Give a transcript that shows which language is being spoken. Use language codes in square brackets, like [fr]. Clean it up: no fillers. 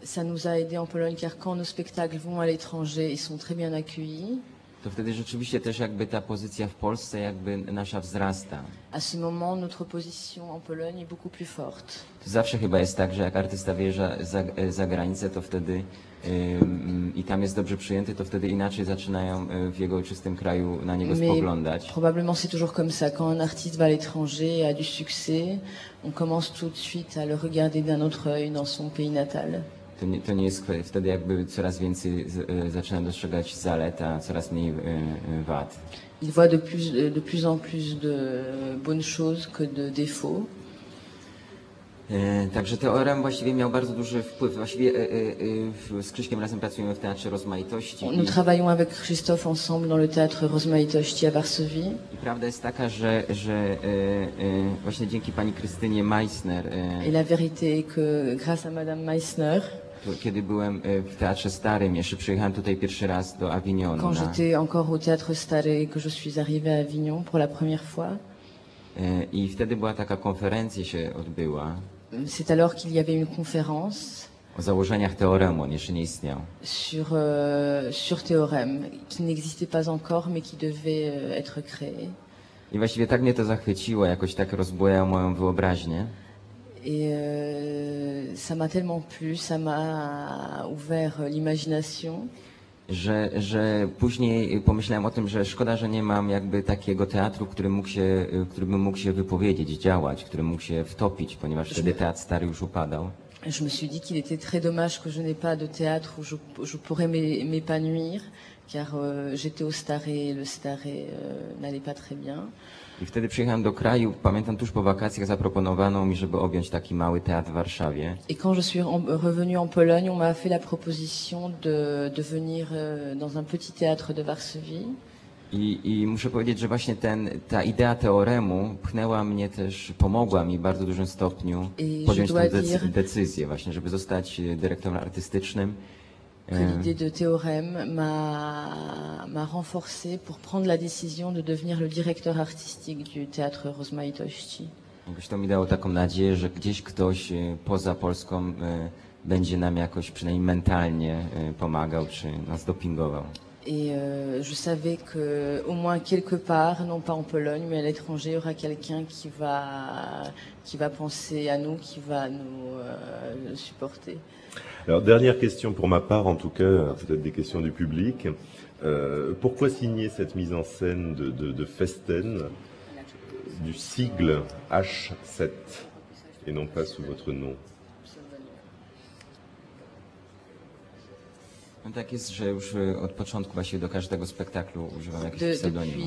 [fr] Ça nous a aidé en Pologne, car quand nos spectacles vont à l'étranger, ils sont très bien accueillis. [pl] To wtedy rzeczywiście też jakby ta pozycja w Polsce jakby nasza wzrasta. [fr] À ce moment, notre position en Pologne est beaucoup plus forte. [pl] To zawsze chyba jest tak, że jak artysta wyjeżdża za granicę, to wtedy i tam jest dobrze przyjęty, to wtedy inaczej zaczynają w jego ojczystym kraju na niego spoglądać. [fr] Probablement c'est toujours comme ça. Quand un artiste va à l'étranger et a du succès, on commence tout de suite à le regarder d'un autre œil dans son pays natal. [pl] To nie jest wtedy jakby coraz więcej zaczyna dostrzegać zalet, a coraz mniej wad. [fr] Il voit de plus en plus de bonnes choses que de défauts. [pl] Także Teorem właściwie miał bardzo duży wpływ. Właściwie z Krzyśkiem razem pracujemy w Teatrze Rozmaitości. [fr] Nous travaillons avec Christophe ensemble dans le Théâtre Rozmaitości à Varsovie. [pl] I prawda jest taka, że właśnie dzięki pani Krystynie Meissner. [fr] Et la vérité est que grâce à Madame Meissner. [pl] Kiedy byłem w Teatrze Starym, jeszcze przyjechałem tutaj pierwszy raz do Avignon. [fr] Quand j'étais encore au Théâtre Stary et que je suis arrivé à Avignon pour la première fois. [pl] I wtedy była taka konferencja, się odbyła. [fr] C'est alors qu'il y avait une conférence. [pl] O założeniach Teoremu, on jeszcze nie istniał. [fr] Sur Théorème, qui n'existait pas encore, mais qui devait être créé. [pl] I właściwie tak mnie to zachwyciło, jakoś tak rozbujało moją wyobraźnię. [fr] Et ça m'a tellement plu, ça m'a ouvert l'imagination. [pl] Że później pomyślałem o tym, że szkoda, że nie mam jakby takiego teatru, który by mógł się wypowiedzieć, działać, który mógł się wtopić, ponieważ wtedy Teatr Stary już upadał. [fr] Je me suis dit qu'il était très dommage que je n'ai pas de théâtre où je pourrais m'épanouir, car j'étais au Staré et le Staré n'allait pas très bien. [pl] I wtedy przyjechałem do kraju, pamiętam tuż po wakacjach zaproponowano mi, żeby objąć taki mały teatr w Warszawie. [fr] Et quand je suis revenu en Pologne, on m'a fait la proposition de venir dans un petit théâtre de Varsovie. [pl] I muszę powiedzieć, że właśnie ta idea Teoremu pchnęła mnie też, pomogła mi w bardzo dużym stopniu [fr] et [pl] podjąć tę decyzję właśnie, żeby zostać dyrektorem artystycznym. [fr] Que l'idée de théorème m'a renforcé pour prendre la décision de devenir le directeur artistique du théâtre Rozmaitości. [pl] Jakoś to mi dało taką nadzieję, że gdzieś ktoś poza Polską będzie nam jakoś przynajmniej mentalnie pomagał czy nas dopingował. [fr] Et je savais que au moins quelque part, non pas en Pologne, mais à l'étranger, il y aura quelqu'un qui va penser à nous, qui va nous supporter. Alors, dernière question pour ma part, en tout cas, peut-être des questions du public. Pourquoi signer cette mise en scène de Festen du sigle H7 et non pas sous votre nom? [pl] Tak jest, że już od początku właśnie do każdego spektaklu używam jakiegoś pseudonimu.